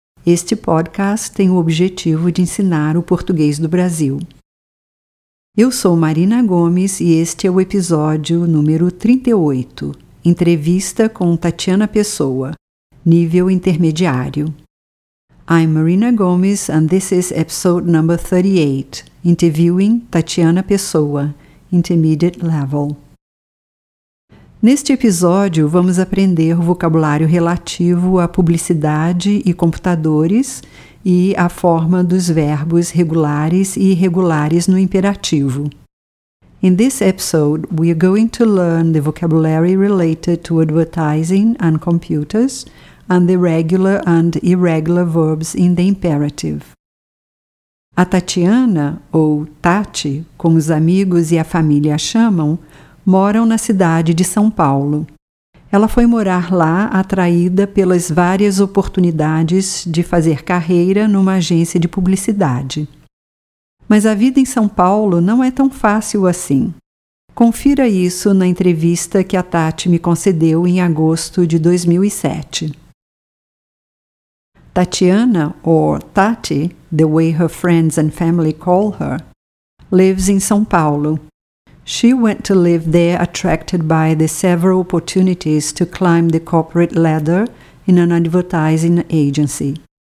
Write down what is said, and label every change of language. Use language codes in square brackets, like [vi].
[pt] Este podcast tem o objetivo de ensinar o português do Brasil. Eu sou Marina Gomes e este é o episódio número 38, entrevista com Tatiana Pessoa, nível intermediário. [en] I'm Marina Gomes and this is episode number 38, interviewing Tatiana Pessoa, intermediate level. [pt] Neste episódio, vamos aprender vocabulário relativo à publicidade e computadores e a forma dos verbos regulares e irregulares no imperativo. [en] In this episode, we are going to learn the vocabulary related to advertising and computers and the regular and irregular verbs in the imperative. [pt] A Tatiana, ou Tati, como os amigos e a família a chamam, moram na cidade de São Paulo. Ela foi morar lá atraída pelas várias oportunidades de fazer carreira numa agência de publicidade. Mas a vida em São Paulo não é tão fácil assim. Confira isso na entrevista que a Tati me concedeu em agosto de 2007. [en] Tatiana, or Tati, the way her friends and family call her, lives in São Paulo. She went to live there attracted by the several opportunities to climb the corporate ladder in an advertising agency.